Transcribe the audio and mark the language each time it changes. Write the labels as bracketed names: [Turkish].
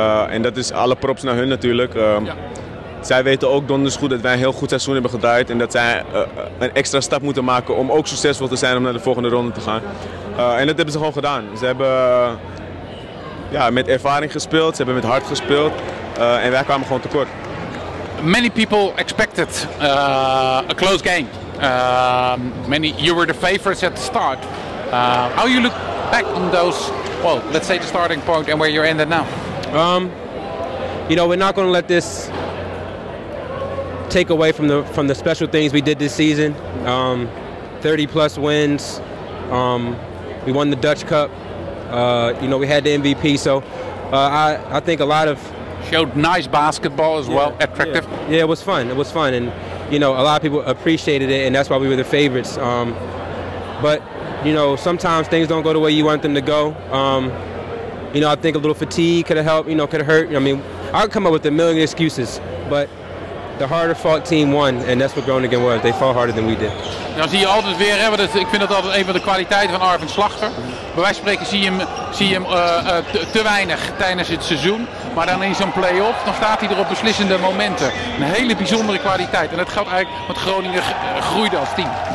[Dutch] En dat is alle props naar hun natuurlijk. Zij weten ook donders goed dat wij een heel goed seizoen hebben gedraaid. En dat zij een extra stap moeten maken om ook succesvol te zijn om naar de volgende ronde te gaan. En dat hebben ze gewoon gedaan. Ze hebben met ervaring gespeeld, ze hebben met hart gespeeld. En wij kwamen gewoon tekort. [English] Many people expected a close game. Many, you were the favorites at the start. How you look back on those, well, let's say the starting point and where you're ended now? You know, we're not going to let this take away from the special things we did this season. 30-plus wins. We won the Dutch Cup. You know, we had the MVP. So I think a lot of... Showed nice basketball as well, attractive. Yeah, it was fun. It was fun. And, you know, a lot of people appreciated it, and that's why we were the favorites. But, you know, sometimes things don't go the way you want them to go. You know, I think a little fatigue could have helped, you know, could have hurt. I mean, I could come up with a million excuses, but the harder-fought team won, and that's what Groningen was. They fought harder than we did. [Dutch] Ja, zie je altijd weer, hè? Ik vind dat altijd een van de kwaliteiten van Arvin Slachter. Bij wijze van spreken zie je hem te weinig tijdens het seizoen. Maar dan in zo'n play-off, dan staat hij er op beslissende momenten. Een hele bijzondere kwaliteit. En dat geldt eigenlijk, want Groningen groeide als team.